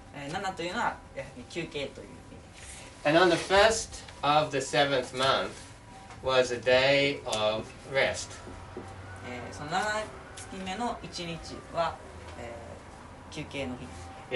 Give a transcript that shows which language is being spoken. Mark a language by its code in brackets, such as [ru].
[ja] 7というのは休憩という意味です。 [en] And on the first of the seventh month was a day of rest. [ja] その7月目の1日は、休憩の日。